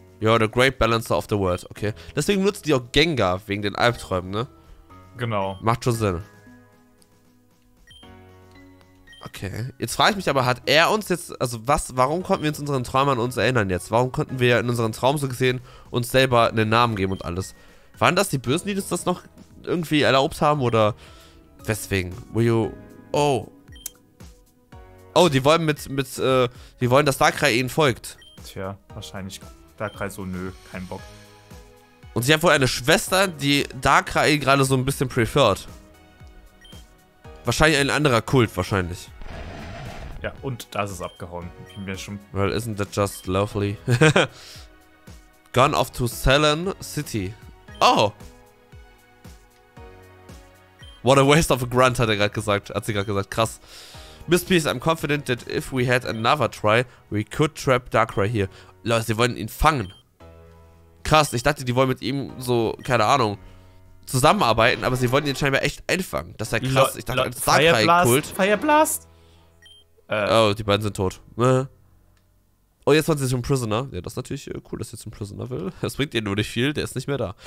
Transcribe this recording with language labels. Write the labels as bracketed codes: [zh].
[en] You're the great balancer of the world, okay. [de] Deswegen nutzt die auch Gengar wegen den Albträumen, ne? Genau. Macht schon Sinn. Okay. Jetzt frage ich mich aber, hat er uns jetzt, also was, warum konnten wir uns unseren Träumen an uns erinnern jetzt? Warum konnten wir in unseren Traum so gesehen uns selber einen Namen geben und alles? Waren das die Bösen, die uns das noch irgendwie erlaubt haben oder weswegen? [en] Will you, oh. [de] Oh, die wollen die wollen, dass Darkrai ihnen folgt. Tja, wahrscheinlich Darkrai so, nö, kein Bock. Und sie hat wohl eine Schwester, die Darkrai gerade so ein bisschen preferred. Wahrscheinlich ein anderer Kult, wahrscheinlich. Ja, und da ist es abgehauen. Ich bin schon. [en] Well, isn't that just lovely? Gone off to Salen City. Oh! What a waste of a grunt, [de] hat sie gerade gesagt. Krass. [en] Miss Peace, I'm confident that if we had another try, we could trap Darkrai here. [de] Leute, sie wollen ihn fangen. Krass, ich dachte, die wollen mit ihm so, keine Ahnung, zusammenarbeiten, aber sie wollen ihn scheinbar echt einfangen. Das ist ja krass. Ich dachte, ein Darkrai-Kult. Fireblast! Oh, die beiden sind tot. Oh, jetzt wollen sie zum Prisoner. Ja, das ist natürlich cool, dass sie zum Prisoner will. Das bringt ihr nur nicht viel, der ist nicht mehr da.